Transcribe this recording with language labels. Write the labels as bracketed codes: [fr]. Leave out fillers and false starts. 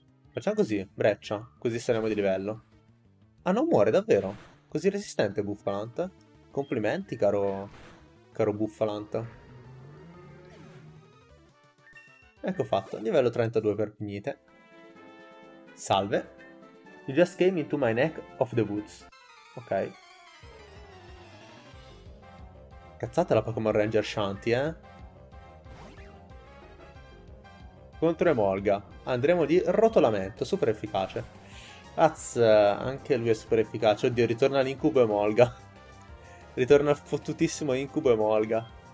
[it] Facciamo così, breccia, così saremo di livello. Ah, non muore davvero? Così resistente Buffalant? Complimenti, caro Buffalant. Ecco fatto, livello 32 per Pignite. Salve. [en] You just came into my neck of the woods. [it] Ok. Cazzata la Pokémon Ranger Shanti, eh? Contro Emolga. Andremo di Rotolamento, super efficace. Azz, anche lui è super efficace. Oddio, ritorna l'incubo Emolga. Ritorna il fottutissimo incubo Emolga.